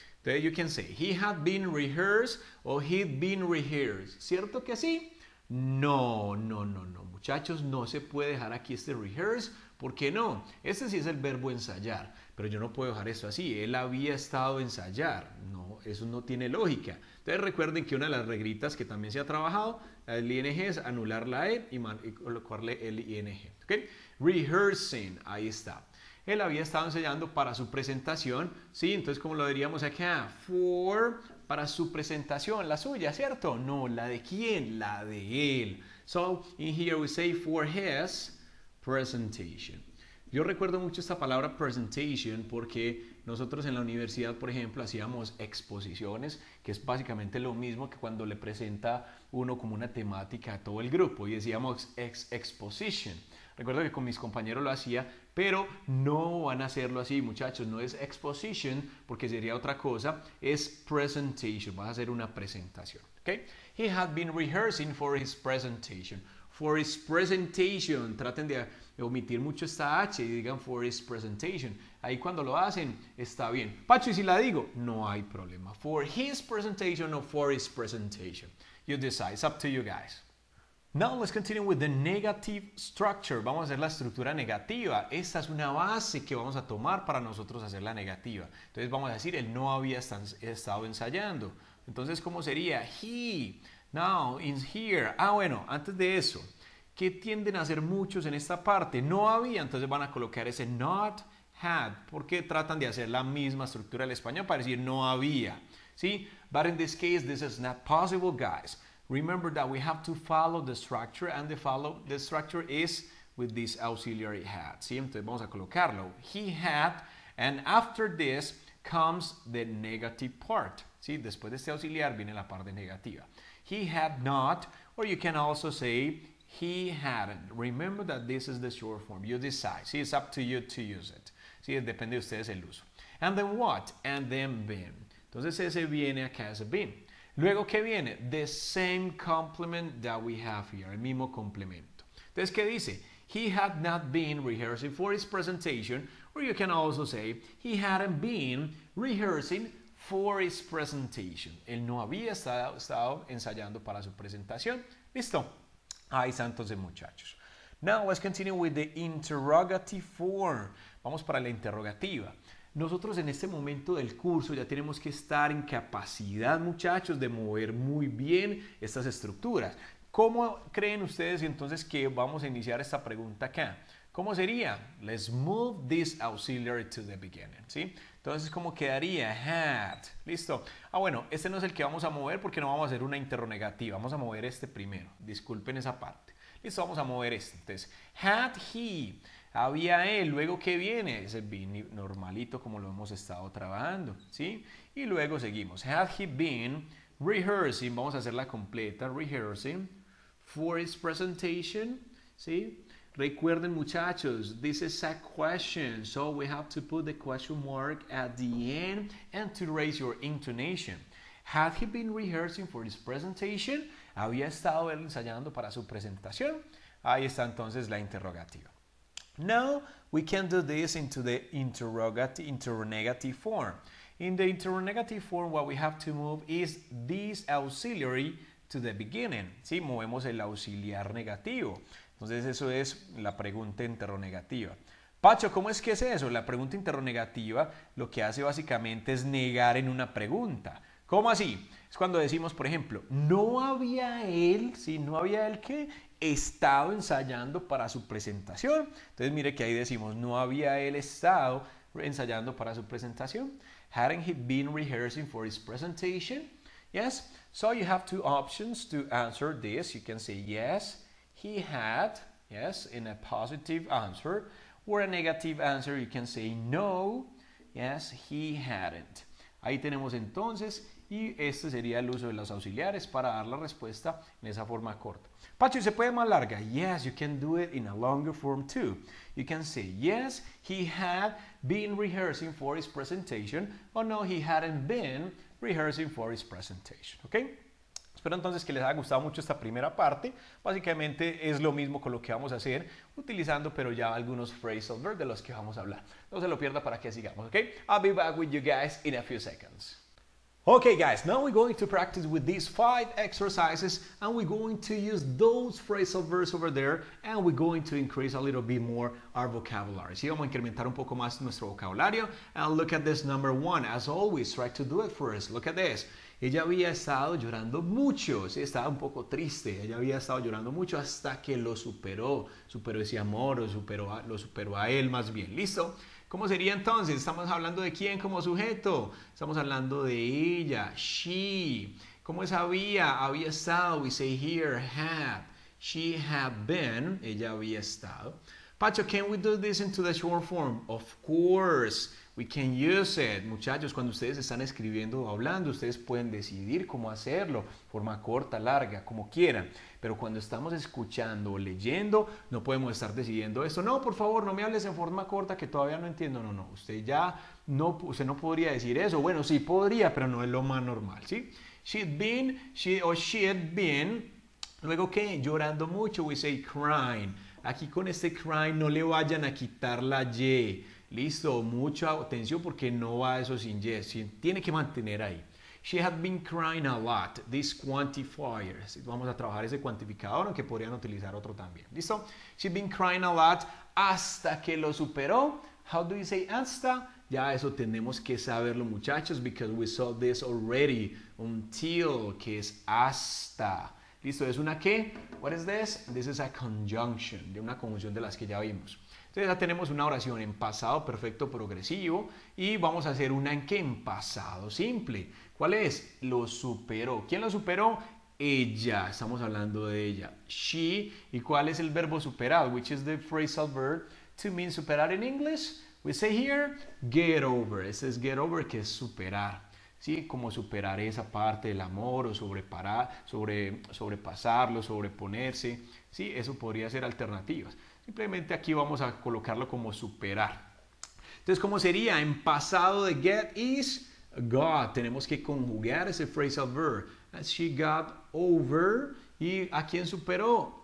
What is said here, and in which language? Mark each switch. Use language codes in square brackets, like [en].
[en] Then you can say, he had been rehearsed or he'd been rehearsed. [es] ¿Cierto que sí? No. Muchachos, no se puede dejar aquí este rehearse. ¿Por qué no? Este sí es el verbo ensayar. Pero yo no puedo dejar esto así. Él había estado ensayar. No, eso no tiene lógica. Entonces recuerden que una de las reglitas que también se ha trabajado, el ING, es anular la E y colocarle el ING. ¿Okay? Rehearsing. Ahí está. Él había estado ensayando para su presentación. Sí, entonces como lo diríamos acá, for, para su presentación, la suya, ¿cierto? No, ¿la de quién? La de él. [en] So, in here we say for his presentation. [es] Yo recuerdo mucho esta palabra presentation porque nosotros en la universidad, por ejemplo, hacíamos exposiciones, que es básicamente lo mismo que cuando le presenta uno como una temática a todo el grupo y decíamos exposition. Recuerdo que con mis compañeros lo hacía, pero no van a hacerlo así, muchachos. No es exposition porque sería otra cosa. Es presentation. Vas a hacer una presentación. ¿Okay? [en] He had been rehearsing for his presentation. For his presentation. [es] Traten de omitir mucho esta H y digan for his presentation. Ahí cuando lo hacen, está bien. Pacho, ¿y si la digo? No hay problema. [en] For his presentation or for his presentation. You decide. It's up to you guys. Now let's continue with the negative structure. [es] Vamos a hacer la estructura negativa. Esta es una base que vamos a tomar para nosotros hacer la negativa. Entonces vamos a decir, él no había estado ensayando. Entonces, ¿cómo sería? [en] He, now, in here. [es] Ah, bueno, antes de eso, ¿qué tienden a hacer muchos en esta parte? No había, entonces van a colocar ese not, had. ¿Por qué tratan de hacer la misma estructura del español para decir no había? ¿Sí? [en] But in this case, this is not possible, guys. Remember that we have to follow the structure, and the structure is with this auxiliary had. ¿Sí? [es] Entonces vamos a colocarlo. [en] He had, and after this comes the negative part. ¿Sí? [es] Después de este auxiliar viene la parte negativa. [en] He had not, or you can also say he hadn't. Remember that this is the short form. You decide. ¿Sí? It's up to you to use it. ¿Sí? [es] Depende de ustedes el uso. [en] And then what? And then been. [es] Entonces ese viene acá es been. Luego, ¿qué viene? [en] The same complement that we have here. [es] El mismo complemento. Entonces, ¿qué dice? [en] He had not been rehearsing for his presentation. Or you can also say, he hadn't been rehearsing for his presentation. [es] Él no había estado ensayando para su presentación. ¿Listo? Ahí está entonces, muchachos. [en] Now, let's continue with the interrogative form. [es] Vamos para la interrogativa. Nosotros en este momento del curso ya tenemos que estar en capacidad, muchachos, de mover muy bien estas estructuras. ¿Cómo creen ustedes entonces que vamos a iniciar esta pregunta acá? ¿Cómo sería? [en] Let's move this auxiliary to the beginning, ¿sí? [es] Entonces, ¿cómo quedaría? [en] Had. ¿Listo? [es] Ah, bueno, este no es el que vamos a mover porque no vamos a hacer una interrogativa. Vamos a mover este primero. Disculpen esa parte. Listo, vamos a mover este. [en] Entonces, had he... [es] Había él, luego ¿qué viene? Ese been normalito como lo hemos estado trabajando, ¿sí? Y luego seguimos. [en] Had he been rehearsing, [es] vamos a hacer la completa, rehearsing, [en] for his presentation, [es] ¿sí? Recuerden, muchachos, [en] this is a question, so we have to put the question mark at the end and to raise your intonation. Had he been rehearsing for his presentation? [es] ¿Había estado él ensayando para su presentación? Ahí está entonces la interrogativa. [en] Now, we can do this into the interrogative form. In the interrogative form, what we have to move is this auxiliary to the beginning. [es] ¿Sí? Movemos el auxiliar negativo. Entonces, eso es la pregunta interrogativa. Pacho, ¿cómo es que es eso? La pregunta interrogativa lo que hace básicamente es negar en una pregunta. ¿Cómo así? Es cuando decimos, por ejemplo, no había él, ¿sí? No había él que... estado ensayando para su presentación. Entonces, mire que ahí decimos, no había él estado ensayando para su presentación. [en] Hadn't he been rehearsing for his presentation? Yes. So you have two options to answer this. You can say yes, he had, yes, in a positive answer, or a negative answer, you can say no, yes, he hadn't. [es] Ahí tenemos entonces, y este sería el uso de los auxiliares para dar la respuesta en esa forma corta. Pacho, ¿se puede más larga? [en] Yes, you can do it in a longer form too. You can say, yes, he had been rehearsing for his presentation, or no, he hadn't been rehearsing for his presentation. ¿Ok? [es] Espero entonces que les haya gustado mucho esta primera parte. Básicamente es lo mismo con lo que vamos a hacer, utilizando pero ya algunos phrasal verbs de los que vamos a hablar. No se lo pierda para que sigamos, ¿ok? [en] I'll be back with you guys in a few seconds. Okay, guys, now we're going to practice with these five exercises and we're going to use those phrasal verbs over there and we're going to increase a little bit more our vocabulary. [es] Sí, vamos a incrementar un poco más nuestro vocabulario. [en] And look at this number one. As always, try to do it first. Look at this. [es] Ella había estado llorando mucho. Sí, estaba un poco triste. Ella había estado llorando mucho hasta que lo superó. Superó ese amor o superó a, lo superó a él más bien. ¿Listo? ¿Cómo sería entonces? ¿Estamos hablando de quién como sujeto? Estamos hablando de ella, she. ¿Cómo es había? Había estado, [en] we say here, [es] have. [en] She had been, [es] ella había estado. [en] Pacho, can we do this into the short form? Of course, we can use it. [es] Muchachos, cuando ustedes están escribiendo o hablando, ustedes pueden decidir cómo hacerlo, forma corta, larga, como quieran. Pero cuando estamos escuchando o leyendo, no podemos estar decidiendo esto. No, por favor, no me hables en forma corta que todavía no entiendo. No, no, usted ya no, usted no podría decir eso. Bueno, sí podría, pero no es lo más normal, ¿sí? [en] She'd been, she had been, [es] luego ¿qué? Llorando mucho, [en] we say crying. [es] Aquí con este crying no le vayan a quitar la Y. Listo, mucha atención porque no va eso sin Y. Sí, tiene que mantener ahí. [en] She had been crying a lot, this quantifier. [es] Vamos a trabajar ese cuantificador, aunque podrían utilizar otro también. ¿Listo? [en] She'd been crying a lot [es] hasta que lo superó. [en] How do you say hasta? [es] Ya eso tenemos que saberlo, muchachos, [en] because we saw this already. [es] Until, que es hasta. ¿Listo? ¿Es una qué? What is this? [en] This is a conjunction, [es] de una conjunción de las que ya vimos. Entonces ya tenemos una oración en pasado perfecto progresivo y vamos a hacer una en qué, en pasado simple. ¿Cuál es? Lo superó. ¿Quién lo superó? Ella. Estamos hablando de ella. She. ¿Y cuál es el verbo superar? [en] Which is the phrasal verb to mean superar in English? We say here, get over. [es] Ese es get over, que es superar. ¿Sí? Como superar esa parte del amor o sobrepasarlo, sobreponerse. ¿Sí? Eso podría ser alternativas. Simplemente aquí vamos a colocarlo como superar. Entonces, ¿cómo sería? En pasado de get is... got, tenemos que conjugar ese phrasal verb, [en] as she got over, [es] y ¿a quién superó?